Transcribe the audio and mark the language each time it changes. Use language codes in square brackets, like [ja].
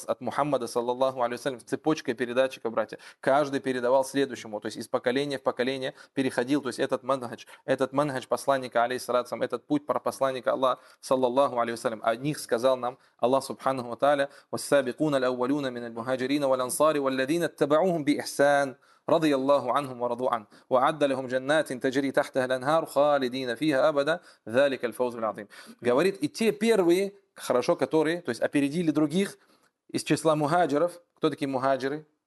[ru] От Мухаммада, саллаллаху алейхи ва саллям, цепочкой передатчиков, братья. Каждый передавал следующему, то есть из поколения в поколение переходил, то есть этот манхадж посланника, алейхиссалям, этот путь про посланника Аллах, саллаллаху алейхи ва саллям. О них сказал нам Аллах субханаху ва тааля: «Вассабикуна ляввалюна минал мухаджирина вал ансари вал ладина таба'ухум би ихсан». [ar] رضي الله عنهم ورضوا عنه وعد لهم جنات تجري تحتها الانهار خالدين فيها ابدا ذلك الفوز العظيم. [ru] Говорит, и те первые, хорошо, которые, то есть опередили других из числа мухаджиров. Кто такие мухаджиры?